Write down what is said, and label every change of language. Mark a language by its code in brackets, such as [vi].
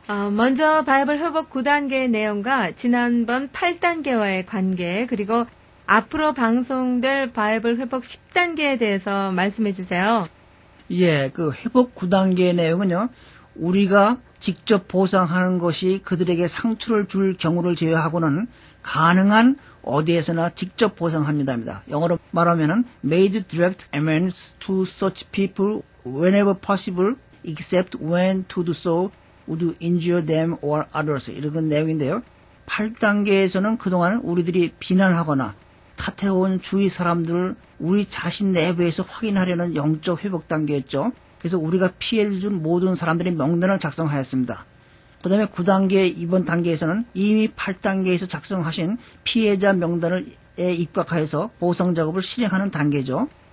[ko] 먼저 바이블 회복 9단계의 내용과 지난번 8단계와의 관계, 그리고 앞으로 방송될 바이블 회복 10단계에 대해서 말씀해 주세요. 예, 그 회복 9단계의 내용은요, 우리가 직접 보상하는 것이 그들에게 상처를 줄 경우를 제외하고는 가능한 어디에서나 직접 보상합니다. 영어로 말하면 [en] made direct amends to such people whenever possible except when to do so would injure them or others. [ko] 이런 내용인데요. 8단계에서는 그동안 우리들이 비난하거나 탓해온 주위 사람들을 우리 자신 내부에서 확인하려는 영적 회복 단계였죠. 그래서 우리가 피해를 준 모든 사람들의 명단을 작성하였습니다. 그 다음에 9단계 이번 단계에서는 이미 8단계에서 작성하신 피해자 명단을 입각하여서 보상작업을 실행하는 단계죠.